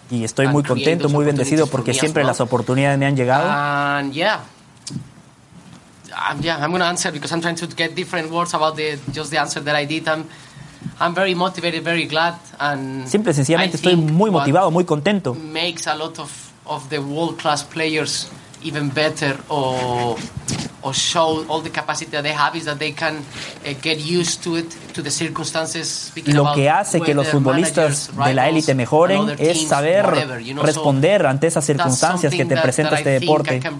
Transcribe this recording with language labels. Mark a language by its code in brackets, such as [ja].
[es] Y estoy muy contento, muy bendecido porque siempre las oportunidades me han llegado. [en] And I'm going to answer because I'm trying to get different words about the answer that I did. I'm very motivated, very glad, and [es] simple, sencillamente estoy muy motivado, muy contento. [en] Makes a lot of the world class players even better, or show all the capacity that they have is that they can get used to it, to the circumstances. [es] Lo que hace que los futbolistas de la élite mejoren es saber responder ante esas circunstancias que te presenta este deporte.